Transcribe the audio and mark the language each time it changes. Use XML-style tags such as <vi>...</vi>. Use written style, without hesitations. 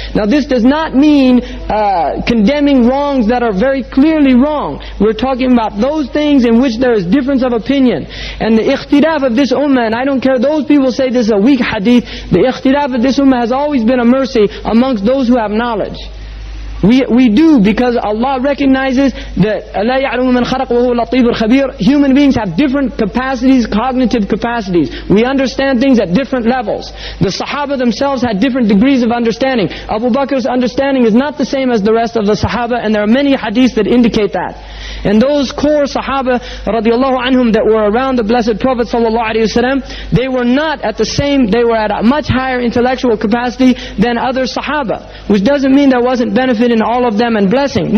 <en>Now this does not mean condemning wrongs that are very clearly wrong. We're talking about those things in which there is difference of opinion. And the ikhtilaf of this ummah, and I don't care those people say this is a weak hadith, the ikhtilaf of this ummah has always been a mercy amongst those who have knowledge. We do, because Allah recognizes that</en> <ar>لا يعلم من خلق وهو لطيف الخبير.</ar> <en>Human beings have different capacities, cognitive capacities. We understand things at different levels. The Sahaba themselves had different degrees of understanding. Abu Bakr's understanding is not the same as the rest of the Sahaba, and there are many hadiths that indicate that. And those core Sahaba</en> <ar>رضي الله عنهم</ar> <en>that were around the Blessed Prophet</en> <ar>صلى الله عليه وسلم,</ar> <en>they were not at the same, they were at a much higher intellectual capacity than other Sahaba, which doesn't mean there wasn't benefit in all of them and blessing.</en>